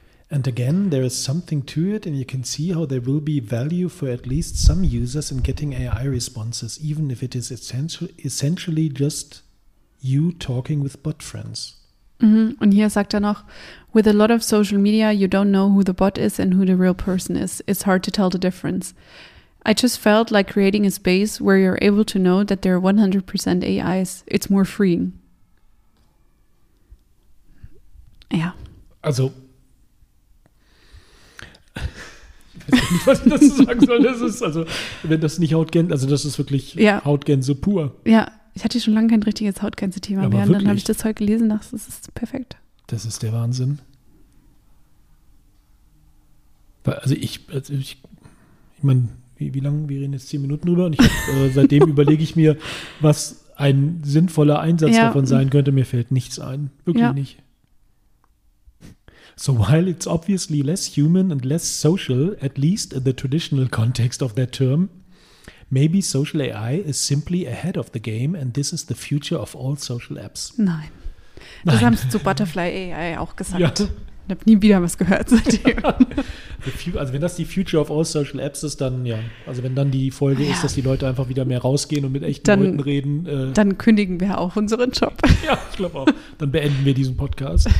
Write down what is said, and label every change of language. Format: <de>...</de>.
<en>And again, there is something to it and you can see how there will be value for at least some users in getting AI responses, even if it is essentially just you talking with bot friends.</en> <de>Und hier sagt er noch,</de> <en>with a lot of social media, you don't know who the bot is and who the real person is. It's hard to tell the difference. I just felt like creating a space where you're able to know that they're 100% AIs. It's more freeing.</en> <de>Ja. Also, ich weiß nicht, was ich dazu sagen soll. Das ist, also, wenn das nicht Hautgänse, also das ist wirklich Hautgänse pur. Ja. Ich hatte schon lange kein richtiges Hautgänse-Thema mehr. Und dann habe ich das heute gelesen und dachte, das ist perfekt. Das ist der Wahnsinn. Also ich meine, wie reden jetzt 10 Minuten drüber? Und ich hab, seitdem überlege ich mir, was ein sinnvoller Einsatz davon sein könnte. Mir fällt nichts ein. Wirklich nicht.</de> <en>So while it's obviously less human and less social, at least in the traditional context of that term, maybe social AI is simply ahead of the game and this is the future of all social apps.</en> <de>Nein. Das haben sie zu Butterfly AI auch gesagt. Ja. Ich habe nie wieder was gehört seitdem. Also wenn das die</de> <en>future of all social apps</en> <de>ist, dann ja. Also wenn dann die Folge ist, dass die Leute einfach wieder mehr rausgehen und mit echten Leuten reden. Dann kündigen wir auch unseren Job. Ja, ich glaube auch. Dann beenden wir diesen Podcast.</de>